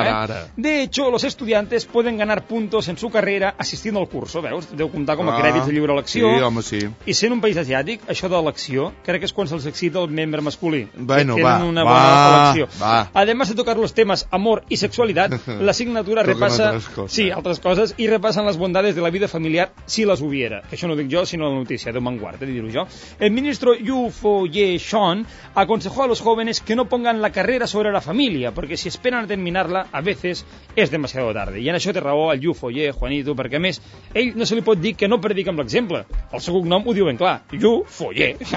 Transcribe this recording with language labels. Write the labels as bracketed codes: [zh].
[ca] eh? Ara. [es] De hecho, los estudiantes pueden ganar puntos en su carrera [ca] assistint al curso, veus? Deu comptar com a crèdits de lliure elecció. Sí, home, sí. I sent un país asiàtic, això de elecció, crec que és quan se'ls excita el membre masculí. Bueno, que tenen una bona elecció. [es] Además de tocar los temas amor y sexualidad, la asignatura repasa... [ca] Sí, altres coses, i repassen les bondades de la vida familiar, [es] si les hubiera. [ca] Que això no ho dic jo, sinó la notícia, de Vanguard, de dir-ho jo. [es] El ministro Yu Fo Ye Shon aconsejó a los jóvenes que no pongan la carrera sobre la familia, porque si esperan a terminarla, a veces es demasiado tarde. [ca] I en això té raó el Yu Fo Ye, Juanito, perquè a més ell no se li pot dir que no predica amb l'exemple. El seu cognom ho diu ben clar, Yu Fo Ye.